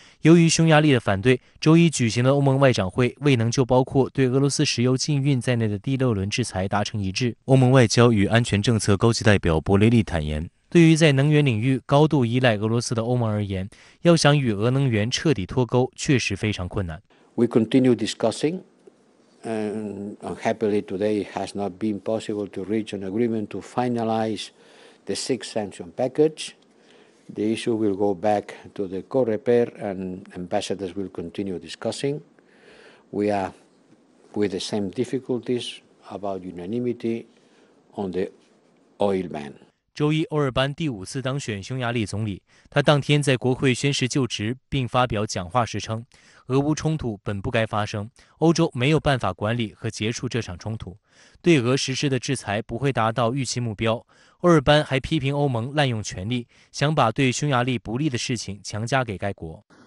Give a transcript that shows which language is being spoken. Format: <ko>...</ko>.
<zh>由于匈牙利的反对，周一举行的欧盟外长会未能就包括对俄罗斯石油禁运在内的第六轮制裁达成一致。欧盟外交与安全政策高级代表博雷利坦言，对于在能源领域高度依赖俄罗斯的欧盟而言，要想与俄能源彻底脱钩确实非常困难。</zh> <en>We continue discussing and unhappily today has not been possible to reach an agreement to finalize the sixth sanction package. The issue will go back to the COREPER and ambassadors will continue discussing. We are with the same difficulties about unanimity on the oil ban.</en> <zh>周一，欧尔班第五次当选匈牙利总理。他当天在国会宣誓就职并发表讲话时称，俄乌冲突本不该发生，欧洲没有办法管理和结束这场冲突，对俄实施的制裁不会达到预期目标。欧尔班还批评欧盟滥用权力，想把对匈牙利不利的事情强加给该国。</zh>